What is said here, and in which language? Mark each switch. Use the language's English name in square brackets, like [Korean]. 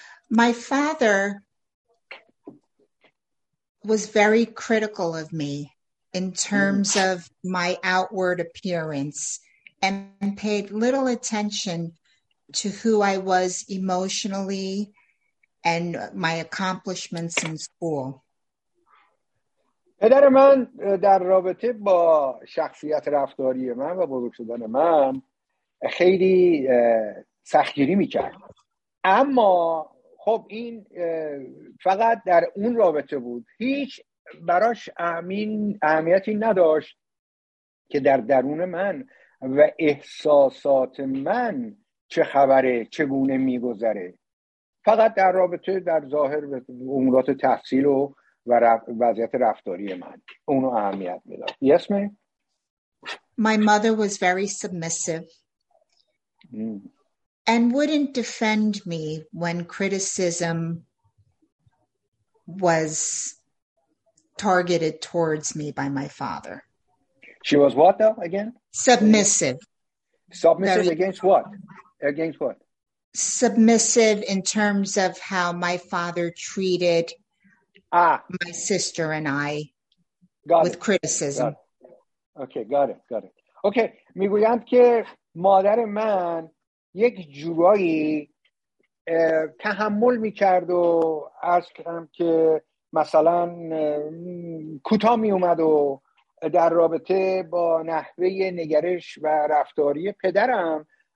[English] My father was very critical of me in terms of my outward appearance and paid little attention to who I was emotionally and my accomplishments in school. [Persian] پدر من در رابطه با شخصیت رفتاری من و بزرگ شدن من خیلی سختگیری میکرد، اما خب این فقط در اون رابطه بود، هیچ براش اهمیتی نداشت که در درون من و احساسات من چه خبره، چگونه میگذره. فقط در رابطه در ظاهر به امورات تحصیل و وضعیت رفتاری من اونو اهمیت میداد. [English] Yes, ma'am. My mother was very submissive and wouldn't defend me when criticism was targeted towards me by my father. She was what though, again? Submissive. Submissive very against what? Against what? Submissive in terms of how my father treated my sister and I with criticism. Got it. [Persian] Okay, میگویند که مادر من یک جورایی تحمل میکرد و عرض کردم که مثلا کوتا میومد و در رابطه با نحوه نگرش و رفتاری پدرم